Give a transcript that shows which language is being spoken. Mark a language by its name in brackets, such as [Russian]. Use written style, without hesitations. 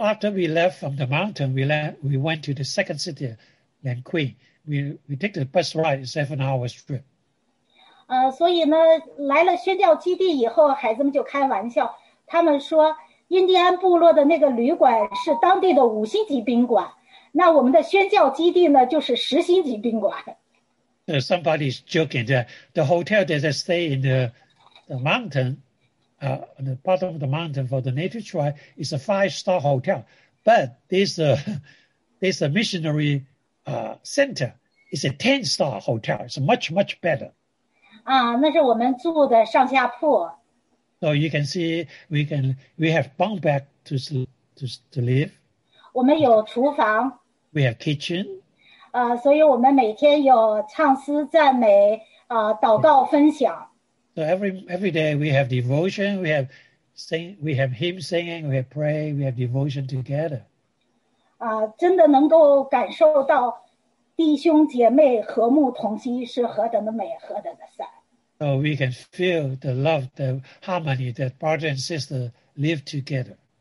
[English] after we left from the mountain, we went to the second city, Lanque. We take the bus ride, it's 7 hours trip. [Chinese] 所以呢，来了宣教基地以后，孩子们就开玩笑，他们说，印第安部落的那个旅馆是当地的5星级宾馆，那我们的宣教基地呢，就是10星级宾馆。 [English] Somebody's joking that the hotel that they stay in the mountain, on the bottom of the mountain for the native tribe, is a 5-star hotel. But this missionary center. It's a 10-star hotel. It's much, much better. [Chinese] 那是我们住的上下铺。So [English] you can see we have bunk bed to live. [Chinese] 我们有厨房。We [English] have kitchen. [Chinese] 所以我们每天有唱诗、赞美、祷告、分享。So [English] every day we have devotion. We have hymn singing. We have pray. We have devotion together. [Chinese] 真的能够感受到。弟兄姐妹和睦同心是何等的美，何等的善。So [English] we can feel the love, the harmony that brother and sister live together.